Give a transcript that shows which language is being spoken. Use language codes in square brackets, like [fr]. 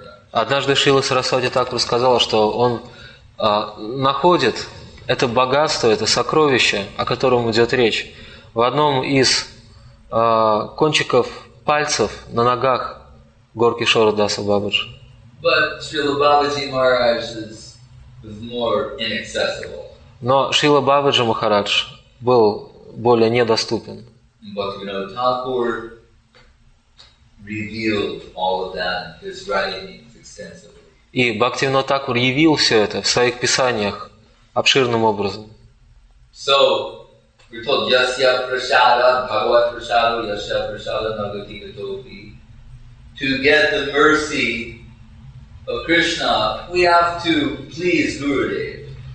[ru] Однажды Шрила Сарасвати Такур сказал, что он находит это богатство, это сокровище, о котором идет речь, в одном из кончиков пальцев на ногах Гаур Кишора Даса Бабаджи. [en] But Srila Babaji Maharaj is more inaccessible. [ru] Но Шрила Бабаджи Махарадж был более недоступен. [en] Bhaktivinoda Thakur revealed all of that in his writings extensively. [ru] И Бхактивинода Такур явил все это в своих писаниях обширным образом. [en] So we're told [sa] yasya prasada bhagavat prasada yasya prasada nagati gatopi. [en] To get the mercy of Krishna, we have to please Gurudev.